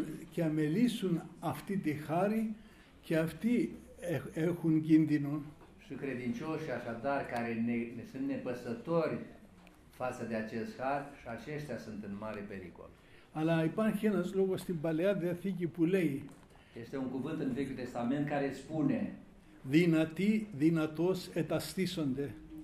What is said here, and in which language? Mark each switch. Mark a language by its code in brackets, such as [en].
[el] και αμελήσουν αυτή τη χάρη και αυτοί έχουν κίνδυνο. [ro] Și credincioșii așadar care sunt nepăsători față de acest har, și aceștia sunt în mare pericol. [el] Αλλά υπάρχει ένας λόγος στην Παλαιά Διαθήκη που λέει, [ro] este un cuvânt în Vechiul Testament care spune, [el] δυνατοί δυνατός εταστήσονται.